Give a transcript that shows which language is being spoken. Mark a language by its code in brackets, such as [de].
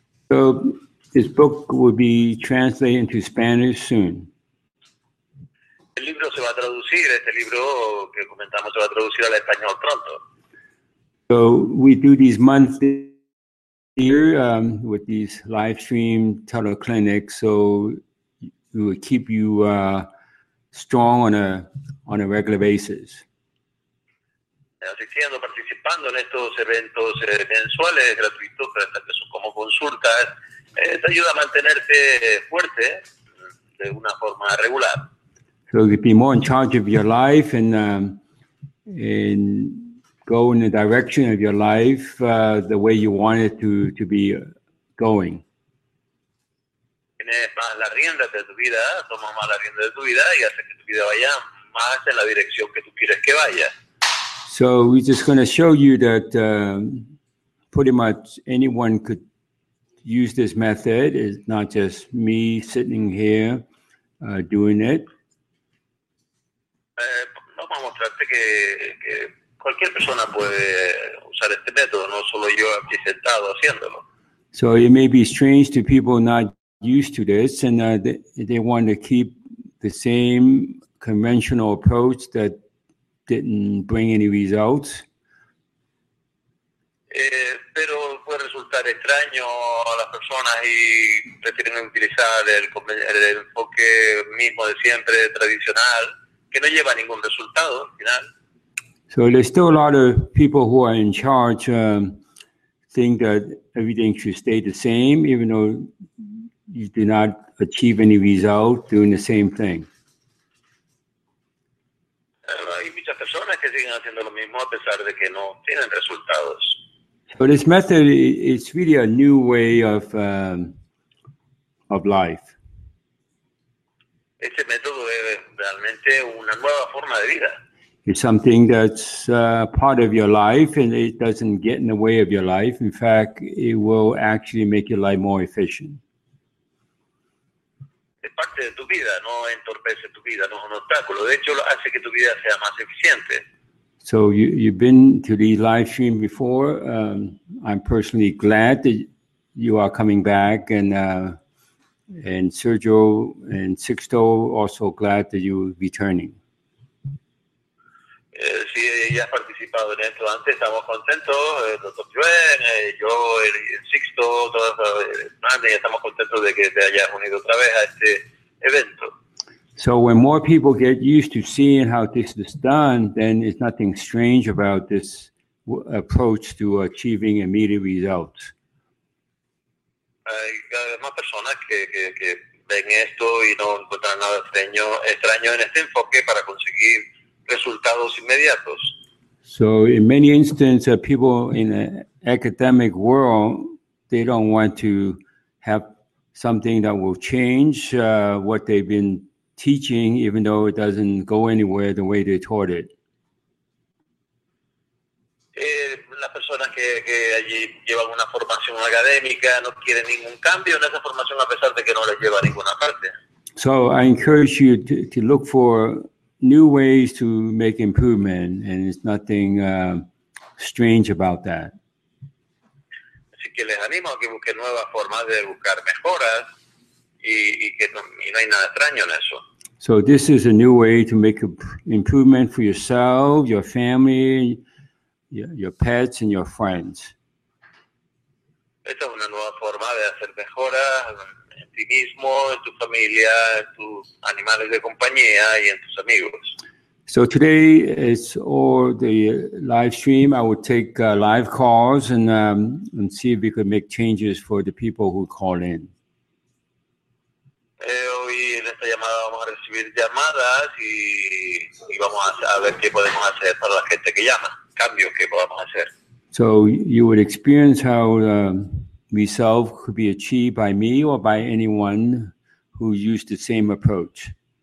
[en] So this book will be translated into Spanish soon. [es] El libro se va a traducir, este libro que comentamos se va a traducir al español pronto. [en] So we do these monthly here with these live stream teleclinics, so we will keep you strong on a regular basis. [es] Asistiendo, participando en estos eventos mensuales gratuitos, que son como consultas, te ayuda a mantenerte fuerte de una forma regular. [en] So you'd be more in charge of your life and go in the direction of your life the way you want it to be going. [es] Tienes más las riendas de tu vida, tomas más las riendas de tu vida y haces que tu vida vaya más en la dirección que tú quieres que vaya. [en] So we're just going to show you that pretty much anyone could use this method. It's not just me sitting here doing it. [es] Vamos a mostrarte que cualquier persona puede usar este método, no solo yo aquí sentado haciéndolo. [en] So it may be strange to people not used to this, and they want to keep the same conventional approach that didn't bring any results. [es] Pero puede resultar extraño a las personas y prefieren utilizar el enfoque mismo de siempre, tradicional, que no lleva a ningún resultado al final. [en] So there's still a lot of people who are in charge think that everything should stay the same, even though you do not achieve any result doing the same thing. [es] Hay muchas personas que siguen haciendo lo mismo a pesar de que no tienen resultados. [en] So this method is really a new way of life. [es] Este método es realmente una nueva forma de vida. [en] It's something that's part of your life and it doesn't get in the way of your life. In fact, it will actually make your life more efficient. [es] Es parte de tu vida, no entorpece tu vida, no es un obstáculo. De hecho, hace que tu vida sea más eficiente. [en] So you've been to the live stream before. I'm personally glad that you are coming back and Sergio and Sixto, also glad that you're returning. [es] Sí, ella ha participado en esto antes, estamos contentos, el doctor Joen, yo, el Sixto, todos los estamos contentos de que te hayas unido otra vez a este evento. [en] So when more people get used to seeing how this is done, then it's nothing strange about this approach to achieving immediate results. [es] Hay más personas que ven esto y no encuentran nada extraño en este enfoque para conseguir resultados inmediatos. [en] So in many instances, people in the academic world, they don't want to have something that will change what they've been teaching, even though it doesn't go anywhere the way they taught it. [es] Las personas que allí llevan una formación académica no quieren ningún cambio en esa formación a pesar de que no les lleva a ninguna parte. [en] So I encourage you to look for new ways to make improvement, and it's nothing strange about that. [es] Así que les animo a que busquen nuevas formas de buscar mejoras y no hay nada extraño en eso. [en] So this is a new way to make an improvement for yourself, your family, your pets, and your friends. [es] Esta es una nueva forma de hacer mejoras en ti mismo, en tu familia, en tus animales de compañía y en tus amigos. [en] So today is all the live stream. I will take live calls and see if we could make changes for the people who call in. [es] Hoy en esta llamada vamos a recibir llamadas y vamos a ver qué podemos hacer para la gente que llama, cambios que podamos hacer. [en] So you would experience how yourself could be achieved by me or by anyone who used the same approach.